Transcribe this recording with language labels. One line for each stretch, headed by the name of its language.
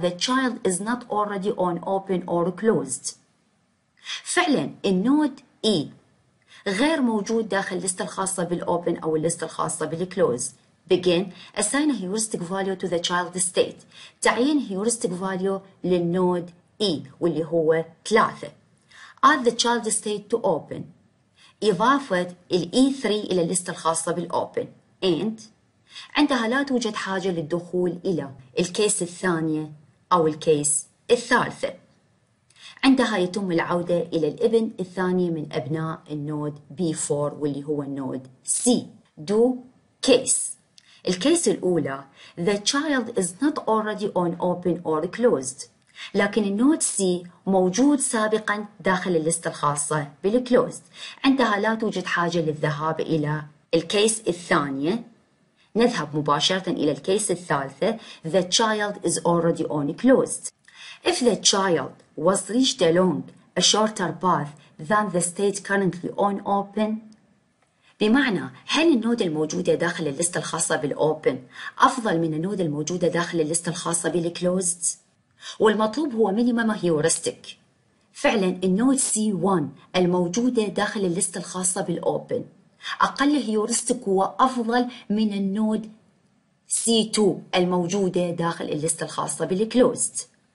English: The child is not already on open or closed.
Arabic: فعلا النود E غير موجود داخل الليست الخاصة بالopen أو الليست الخاصة بالclose.
English: Begin. Assign a heuristic value to the child state.
Arabic: تعيين
English: heuristic value
Arabic: للنود E واللي هو 3.
English: Add the child state to open.
Arabic: إضافة الـ E3 إلى الليست الخاصة بالopen.
English: And
Arabic: عندها لا توجد حاجة للدخول إلى الكيس الثانية أو الكيس الثالثة. عندها يتم العودة إلى الابن الثاني من أبناء النود B4 واللي هو النود C.
English: Do case.
Arabic: الكيس الأولى.
English: The child is not already on open or closed.
Arabic: لكن النود C موجود سابقا داخل الليست الخاصة بالclosed. عندها لا توجد حاجة للذهاب إلى الكيس الثانية. نذهب مباشرة إلى الكيس الثالثة.
English: The child is already on closed. If the child was reached along a shorter path than the state currently on open.
Arabic: بمعنى هل النود الموجودة داخل الليست الخاصة بالopen أفضل من النود الموجودة داخل الليست الخاصة بالclosed؟ والمطلوب هو minimum heuristic. فعلا النود C1 الموجودة داخل الليست الخاصة بالopen أقل heuristic هو أفضل من النود C2 الموجودة داخل الليست الخاصة بالclosed.